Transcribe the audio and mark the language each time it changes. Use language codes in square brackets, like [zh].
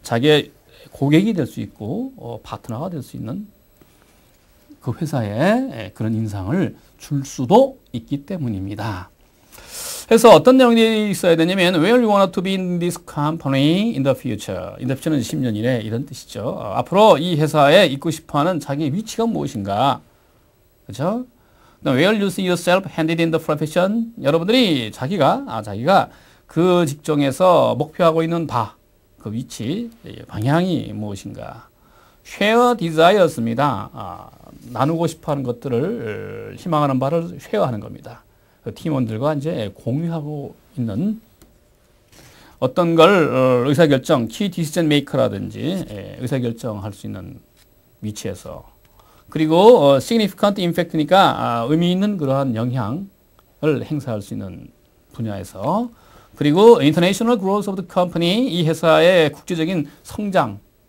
[ko] 자기의 고객이 될수 있고 파트너가 될수 있는 그 회사에 그런 인상을 줄 수도 있기 때문입니다. 그래서 어떤 내용이 있어야 되냐면 [en] Where you want to be in this company in the future? In the future [ko] 는 10년 이내 이런 뜻이죠. 앞으로 이 회사에 있고 싶어하는 자기의 위치가 무엇인가? 그렇죠? [en] Where you see yourself handed in the profession? [ko] 여러분들이 자기가 그 직종에서 목표하고 있는 바, 그 위치, 방향이 무엇인가? [en] Share desires [ko] 입니다. 나누고 싶어 하는 것들을 희망하는 바를 share 하는 겁니다. 그 팀원들과 이제 공유하고 있는 어떤 걸 의사결정, [en] key decision maker [ko] 라든지 의사결정할 수 있는 위치에서 그리고 [en] significant impact [ko] 니까 의미 있는 그러한 영향을 행사할 수 있는 분야에서 그리고 [en] international growth of the company [ko] 이 회사의 국제적인 성장